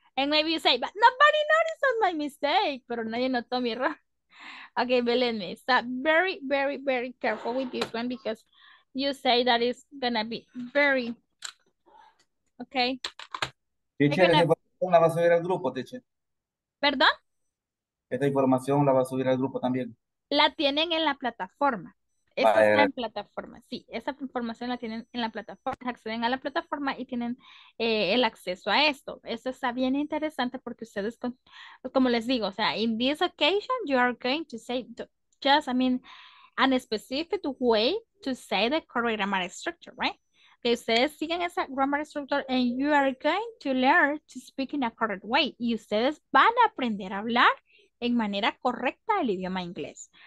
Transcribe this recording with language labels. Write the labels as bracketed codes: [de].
[en] And maybe you say, but nobody noticed my mistake. [es] Pero nadie notó mi error. [en] Okay, believe me. So very, very, very careful with this one because you say that it's going to be very, okay. [es] Teacher, esta información la va a subir al grupo, teacher. ¿Perdón? Esta información la va a subir al grupo también. La tienen en la plataforma. Esta vale, es la plataforma. Sí, esa información la tienen en la plataforma. Acceden a la plataforma y tienen el acceso a esto. Esto está bien interesante porque ustedes, con, como les digo, o sea, [en] in this occasion, you are going to say to, just, I mean, an specific way to say the correct grammar structure, right? [es] Que ustedes siguen esa [en] grammar structure and you are going to learn to speak in a correct way. [es] Y ustedes van a aprender a hablar en manera correcta el idioma inglés.